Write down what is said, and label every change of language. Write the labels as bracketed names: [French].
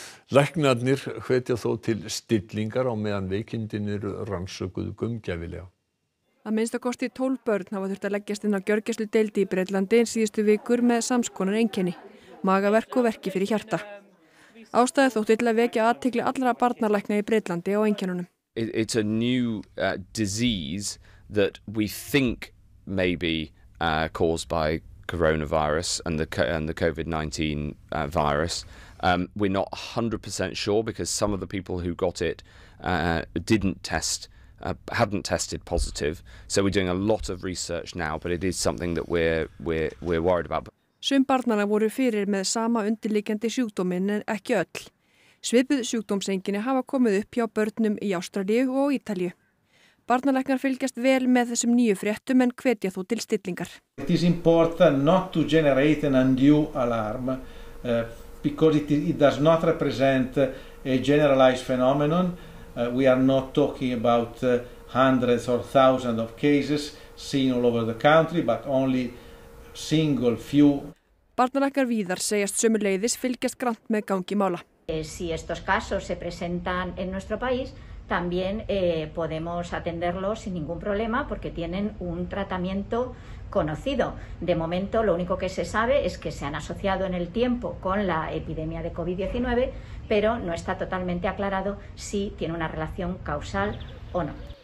[Icelandic] Læknarnir hvetja þó til stillingar á meðan veikindin eru rannsökuð gaumgæfilega. Að minnsta kosti 12 börn hafa þurft að leggjast inn á gjörgæslu deildi í Bretlandi síðustu vikur með samskonar einkenni, magaverk og verki fyrir hjarta. Ástæði þótti til að vekja athygli allra barnalækna í Bretlandi á einkennunum. [English] It's a new disease that we think may be caused by coronavirus and the COVID-19 virus. We're not 100% sure because some of the people who got it hadn't tested positive. So we're doing a lot of research now, but it is something that we're worried about. [Icelandic] Sum barnanna voru fyrir með sama undirliggjandi sjúkdóminn en ekki öll. Svipuð sjúkdómseinkenni hafa komið upp hjá börnum í Ástralíu og Ítalíu. Barnalæknar fylgjast vel með þessum nýju fréttum en hvetja þó til stillingar. [English] It is important not to generate an undue alarm because it does not represent a generalized phenomenon. We are not talking about hundreds or thousands of cases seen all over the country but only single few. [Icelandic] Barnalæknar víðar segjast sömuleiðis fylgjast grannt með gangi mála. [Spanish] Si estos casos se presentan en nuestro país, también podemos atenderlos sin ningún problema porque tienen un tratamiento conocido. De momento, lo único que se sabe es que se han asociado en el tiempo con la epidemia de COVID-19, pero no está totalmente aclarado si tiene una relación causal o no.